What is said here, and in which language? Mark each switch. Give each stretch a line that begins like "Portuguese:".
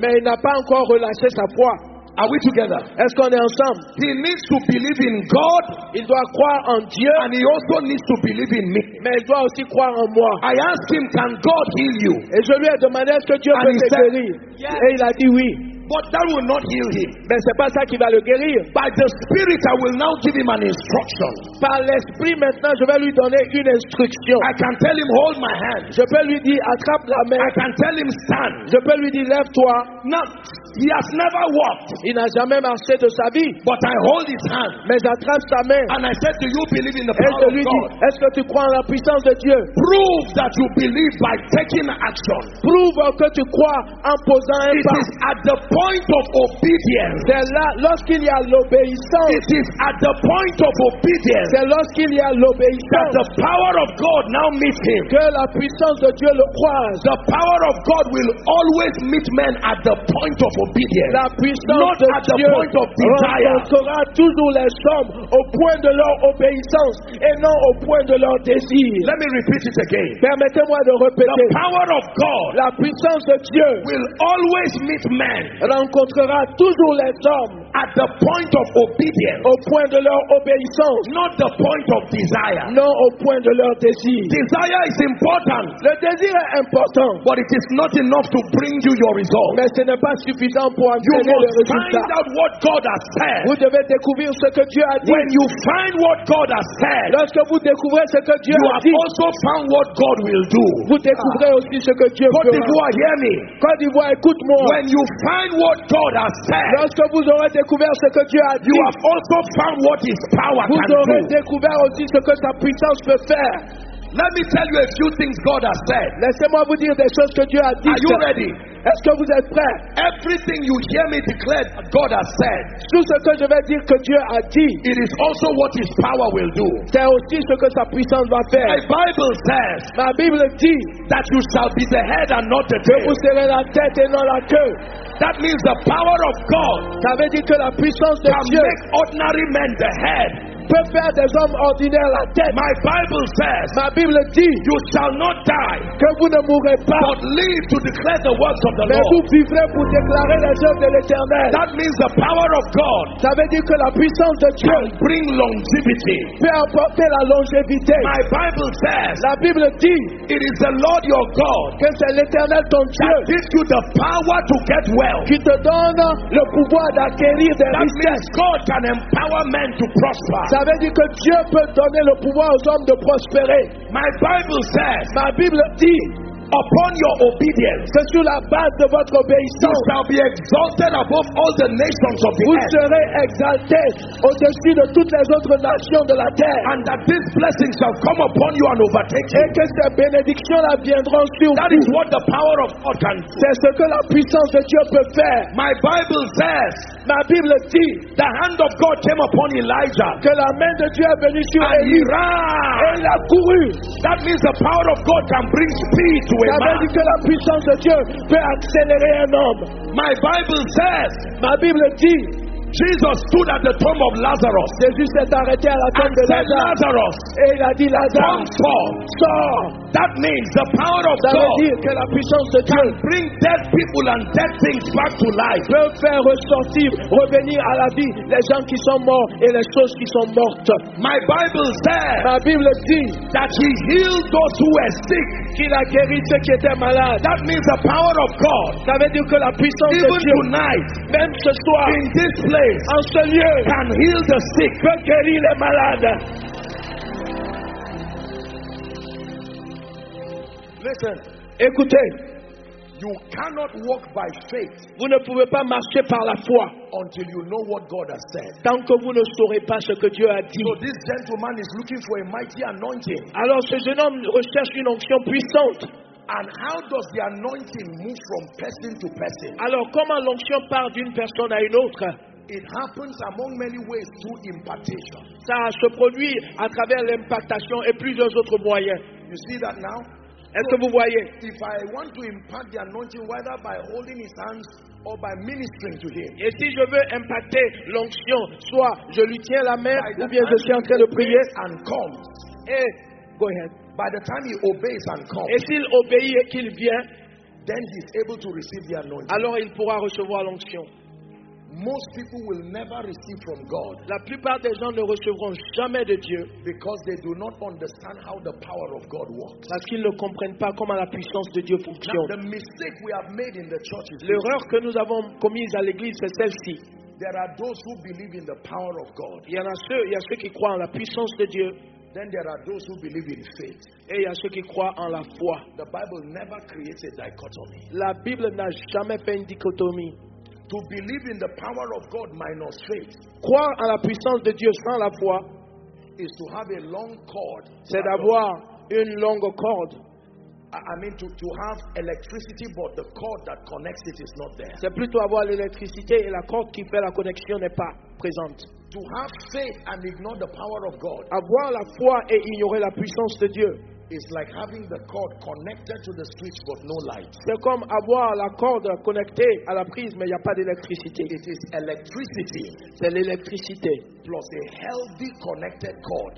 French: Mais il n'a pas encore relâché sa foi.
English: Are we together?
French: Est-ce qu'on est ensemble?
English: He needs to believe in God.
French: Il doit croire en Dieu.
English: And he also needs to believe in me.
French: Mais il doit aussi croire en moi.
English: I asked him, can God heal you?
French: Et je lui ai demandé, est-ce que Dieu
English: and
French: peut te guérir?
English: Yes.
French: Et il a dit oui.
English: But that will not heal him.
French: Mais c'est pas ça qui va le guérir.
English: By the Spirit, I will now give him an instruction.
French: Par l'Esprit maintenant, je vais lui donner une instruction.
English: I can tell him, hold my hand.
French: Je peux lui dire, attrape la main.
English: I can tell him, stand.
French: Je peux lui dire, lève-toi.
English: Non. He has never walked.
French: Il n'a jamais marché de sa vie.
English: But I hold his hand.
French: Mais j'attrape sa main.
English: And I said, do you believe in the power of God?
French: Et je lui dis, est-ce que tu crois en la puissance de Dieu?
English: Prove that you believe by taking action.
French: Prouve que tu crois en posant un pas.
English: It is at the point point of obedience.
French: C'est là lorsqu'il y a l'obéissance.
English: It is at the point of obedience.
French: C'est lorsqu'il y a l'obéissance.
English: That the power of God now meets him.
French: Que la puissance de Dieu le croise.
English: The power of God will always meet men at the point of obedience.
French: La puissance
English: not
French: de
English: at
French: Dieu
English: the point of desire.
French: Rencontrera toujours les hommes au point de leur obéissance et non au point de leur désir.
English: Let me repeat it again.
French: Permettez-moi de répéter.
English: The power of God.
French: La puissance de Dieu
English: will always meet men.
French: Rencontrera toujours les hommes
English: at the point of obedience.
French: Au point de leur obéissance.
English: Not the point of desire.
French: Non au point de leur désir.
English: Desire is important.
French: Le désir est important.
English: But it is not enough to bring you your result.
French: Mais ce n'est pas suffisant pour obtenir le résultat.
English: You must find out what God has said.
French: Vous devez découvrir ce que Dieu a dit.
English: When you find what God has said.
French: Lorsque vous découvrez ce que Dieu
English: you
French: a
English: have
French: dit.
English: Also found what God will do.
French: Vous découvrez aussi ce que Dieu fera.
English: Côte d'Ivoire, hear me.
French: Côte d'Ivoire, écoute-moi.
English: When you find what God has said.
French: Lorsque vous aurez découvert ce que Dieu a dit.
English: You have also found what his power
French: vous
English: can
French: aurez
English: do.
French: Découvert aussi ce que sa puissance peut faire.
English: Let me tell you a few things God has said.
French: Laissez-moi vous dire des choses que Dieu a dites.
English: Are you ready?
French: Est-ce que vous êtes prêts?
English: Everything you hear me declare, God has said.
French: Tout ce que je vais dire que Dieu a dit.
English: It is also what His power will do.
French: C'est aussi ce que sa puissance va faire.
English: My Bible says.
French: Ma Bible dit
English: that you shall be the head and not the tail.
French: Que vous serez la tête et non la queue.
English: That means the power of God.
French: Ça veut dire que la puissance de
English: can
French: Dieu
English: make ordinary men the head.
French: Peut faire des hommes ordinaires la tête.
English: My Bible says.
French: Ma Bible dit.
English: You shall not die.
French: Que vous ne mourrez pas.
English: But live to declare the works of the
French: mais
English: Lord.
French: Mais vous vivrez pour déclarer les œuvres de l'Éternel.
English: That means the power of God.
French: Ça veut dire que la puissance de Dieu
English: can bring longevity.
French: Peut apporter la longévité.
English: My Bible says.
French: La Bible dit.
English: It is the Lord your God.
French: Que c'est l'Éternel ton Dieu.
English: That gives you the power to get well.
French: Qui te donne le pouvoir d'acquérir des richesses.
English: That means God can empower men to prosper.
French: Ça veut dire que Dieu peut donner le pouvoir aux hommes de prospérer.
English: My Bible says,
French: ma Bible dit,
English: upon your obedience,
French: c'est sur la base de votre obéissance,
English: you shall be exalted above all the nations of the
French: vous
English: earth.
French: Vous serez exalté au-dessus de toutes les autres nations de la terre.
English: And that this blessing shall come upon you and overtake you.
French: Et que ces bénédictions la viendront sur vous.
English: That is what the power of God can do.
French: C'est ce que la puissance de Dieu peut faire.
English: My Bible says,
French: ma Bible dit,
English: the hand of God came upon Elijah.
French: Que la main de Dieu est venue sur
English: and
French: Elie.
English: He ran.
French: Et il a couru.
English: That means the power of God can bring speed.
French: Ça veut dire que la puissance de Dieu peut accélérer un homme.
English: My Bible says,
French: ma Bible dit,
English: Jesus stood at the tomb of Lazarus.
French: Jésus s'est arrêté à la tombe de
English: Lazarus.
French: Et il a dit Lazare,
English: come forth.
French: Sort.
English: That means the power of God.
French: Ça veut dire que la puissance de Dieu
English: can bring dead people and dead things back to life.
French: Peut faire ressortir, revenir à la vie les gens qui sont morts et les choses qui sont mortes.
English: My Bible says.
French: Ma Bible dit
English: that He healed those who were sick.
French: Qu'il a guéri ceux qui étaient malades.
English: That means the power of God.
French: Ça veut dire que la puissance
English: even
French: de Dieu.
English: Even tonight,
French: même ce soir,
English: in this place.
French: En ce lieu,
English: can heal the sick,
French: peut guérir les malades.
English: Listen,
French: écoutez,
English: you cannot walk by faith.
French: Vous ne pouvez pas marcher par la foi.
English: Until you know what God has said.
French: Tant que vous ne saurez pas ce que Dieu a dit.
English: So this gentleman is looking for a mighty anointing.
French: Alors ce jeune homme recherche une onction puissante.
English: And how does the anointing move from person to person?
French: Alors comment l'onction part d'une personne à une autre?
English: It happens among many ways through impartation.
French: Ça se produit à travers l'impartation et plusieurs autres moyens.
English: You see that now?
French: Est-ce que vous voyez?
English: If I want to impart the anointing, whether by holding his hands or by ministering to him.
French: Et si je veux impacter l'onction, soit je lui tiens la main ou bien je suis en train de prier.
English: And comes.
French: Et,
English: go ahead. By the time he obeys and comes.
French: Et s'il obéit et qu'il vient,
English: then he is able to receive the anointing.
French: Alors il pourra recevoir l'onction.
English: Most people will never receive from God.
French: La plupart des gens ne recevront jamais de Dieu
English: because they do not understand how the power of God works.
French: Parce qu'ils ne comprennent pas comment la puissance de Dieu fonctionne.
English: Now, the mistake we have made in the church is
French: l'erreur que nous avons commise à l'église c'est celle-ci.
English: There are those who believe in the power of God.
French: Il y a ceux qui croient en la puissance de Dieu.
English: Then there are those who believe in faith.
French: Et il y a ceux qui croient en la foi.
English: The Bible never created dichotomy.
French: La Bible n'a jamais fait une dichotomie.
English: To believe in the power of God minus faith.
French: Croire à la puissance de Dieu sans la foi
English: is to have a long cord.
French: C'est d'avoir une longue corde.
English: to have electricity, but the cord that connects it is not there.
French: C'est plutôt avoir l'électricité et la corde qui fait la connexion n'est pas présente.
English: To have faith and ignore the power of God.
French: Avoir la foi et ignorer la puissance de Dieu.
English: It's like having the cord connected to the switch but no light.
French: C'est comme avoir la corde connectée à la prise mais il y a pas d'électricité.
English: It is electricity.
French: C'est l'électricité.
English: Plus a healthy connected cord.